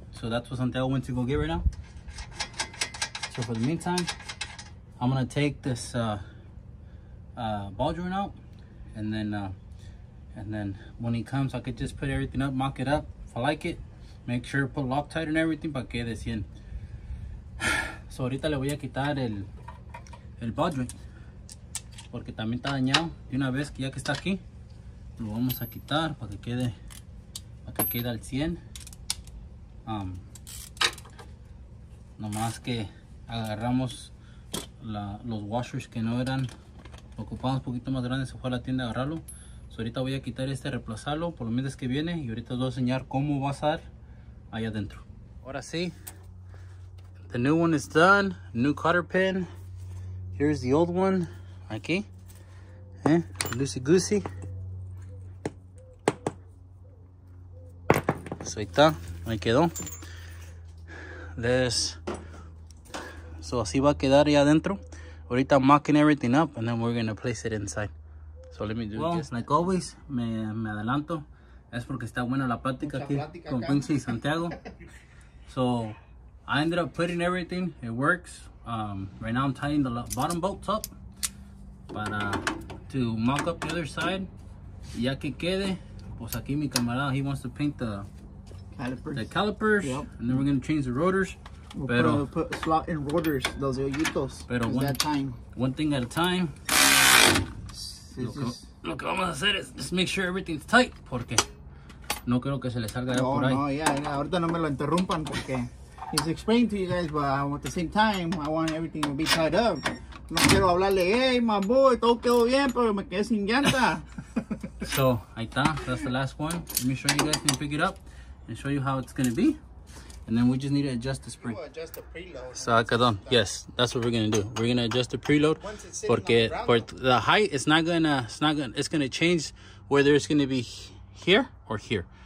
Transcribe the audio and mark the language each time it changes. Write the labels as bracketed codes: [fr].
[en] So that's what Santiago went to go get right now. So for the meantime, I'm gonna take this ball joint out, and then when he comes, I could just put everything up, mock it up if I like it, make sure to put Loctite and everything, but [es] quede cien. So ahorita le voy a quitar el ball joint porque también está dañado. Y una vez que ya que está aquí, lo vamos a quitar para que quede al 100. Nomás que agarramos los washers que no eran ocupados, un poquito más grandes, se fue a la tienda a agarrarlo. So ahorita voy a quitar este, reemplazarlo por los meses que viene, y ahorita os voy a enseñar cómo va a estar allá adentro. Ahora sí. [en] The new one is done. New cotter pin. Here's the old one. [es] Aquí. [en] Loosey goosey. [es] So ahí está. Ahí quedó. So así va a quedar ya adentro. Ahorita [en] I'm mocking everything up, and then we're going to place it inside. So let me do this. Like always, [es] me adelanto. Es porque está buena la plática aquí con Quincy y Santiago. [en] So I ended up putting everything. It works. Right now I'm tying the bottom bolts up. But to mock up the other side. [es] Ya que quede. Pues aquí mi camarada, [en] he wants to paint the calipers. Yep. And then we're going to change the rotors. We'll put slot in rotors. Those [es] hoyitos. Pero [en] one at a time. One thing at a time. [es] Lo que vamos a hacer es [en] just make sure everything's tight. [es] Porque no creo que se le salga de por ahí. No, ahorita no me lo interrumpan porque... [en] He's explained to you guys, but at the same time, I want everything to be tied up. [es] No quiero hablarle, [en] hey, my boy, [es] todo quedó bien, pero me quedé sin llanta. [en] So, [es] ahí está. [en] That's the last one. Let me show you guys can pick it up and show you how it's going to be. And then we just need to adjust the spring. Adjust the preload. So, yes, that's what we're going to do. We're going to adjust the preload. Once it's sitting on the ground. [es] Porque [en] the height, it's going to change whether it's going to be here or here.